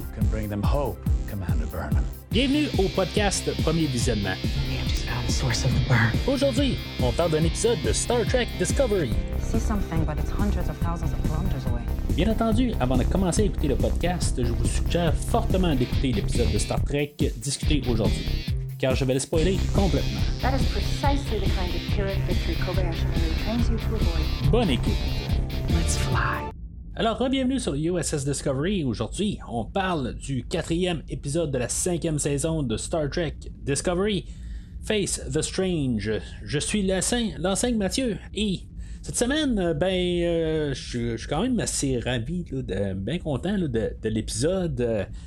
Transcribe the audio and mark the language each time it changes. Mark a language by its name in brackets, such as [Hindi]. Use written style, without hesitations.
[English] bring them hope, Commander Burnham. [French] Bienvenue au podcast Premier Visionnement. [English] We have just found the source of the burn. [French] Aujourd'hui, on parle d'un épisode de Star Trek Discovery. [English] See something, but it's hundreds of thousands of kilometers away. [French] Bien entendu, avant de commencer à écouter le podcast, je vous suggère fortement d'écouter l'épisode de Star Trek discuté aujourd'hui, car je vais le spoiler complètement. [English] That is precisely the kind of heroic victory Kobayashi really aims you to avoid. [French] Bonne écoute. [English] Let's fly. [French] Alors, re-bienvenue sur USS Discovery. Aujourd'hui, on parle du quatrième épisode de la cinquième saison de Star Trek Discovery, Face the Strange. Je suis l'enseigne Mathieu, et cette semaine, je suis quand même assez ravi, bien content de l'épisode.